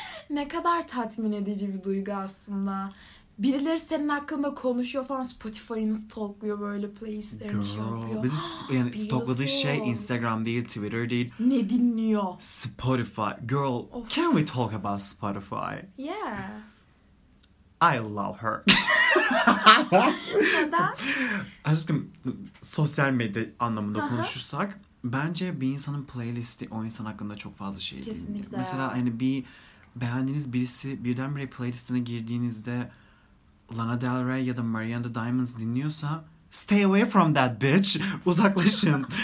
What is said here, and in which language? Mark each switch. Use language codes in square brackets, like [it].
[tr] ne kadar tatmin edici bir duygu aslında. Birileri senin hakkında konuşuyor falan. Spotify'ını stalkluyor böyle. Playlistlerini şey yapıyor. Yani stalkladığı şey Instagram değil, Twitter değil. Ne dinliyor? [en] Spotify. Girl, of. Can we talk about Spotify? Yeah. I love her. [tr] Neden? Aşkım, sosyal medya anlamında konuşursak. Bence bir insanın playlisti o insan hakkında çok fazla şey dinliyor. Mesela hani bir beğendiğiniz birisi birdenbire playlistine girdiğinizde Lana Del Rey ya da Miranda Diamonds dinliyorsa [en] stay away from that bitch. [tr] Uzaklaşın.